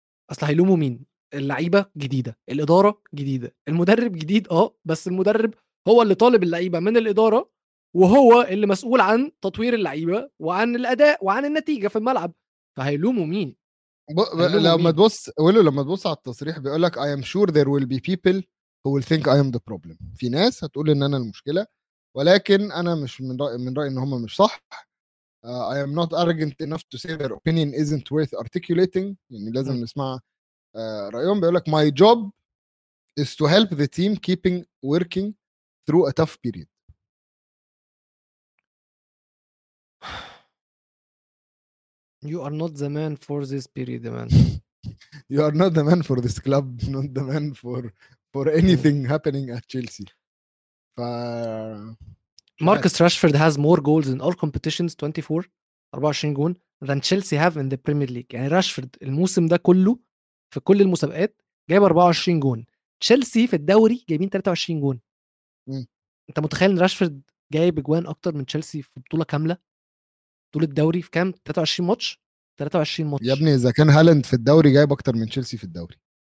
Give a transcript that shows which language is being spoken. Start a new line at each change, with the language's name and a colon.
Arabic: اصل هيلومه مين؟ اللعيبه جديده, الاداره جديده, المدرب جديد. بس المدرب هو اللي طالب اللعيبه من الاداره, وهو اللي مسؤول عن تطوير اللعيبه وعن الاداء وعن النتيجه في الملعب, فهيلومه مين؟ لما تبص على التصريح بيقول لك
English: I am sure there will be people who will think I am the problem.
Arabic: في ناس هتقول ان انا المشكله, ولكن انا مش من رأي ان هم مش صح.
English: I am not arrogant enough to say their opinion isn't worth articulating.
Arabic: يعني لازم نسمع رأيهم. بيقولك
English: my job is to help the team keeping working through a tough period. You are not the man for this period, man. You are not the man for this club, not the man for anything happening at Chelsea. ف Marcus Rashford has more goals in all competitions 24
Arabic: جون
English: than Chelsea have in the Premier League.
Arabic: يعني راشفورد الموسم ده كله في كل المسابقات جايب 24 جون, تشيلسي في الدوري جايبين 23 جون. انت متخيل ان راشفورد جايب جوان اكتر من تشيلسي في بطوله كامله, طول الدوري في كام 23 ماتش يا ابني؟ اذا كان هالند في الدوري جايب اكتر من تشيلسي في الدوري,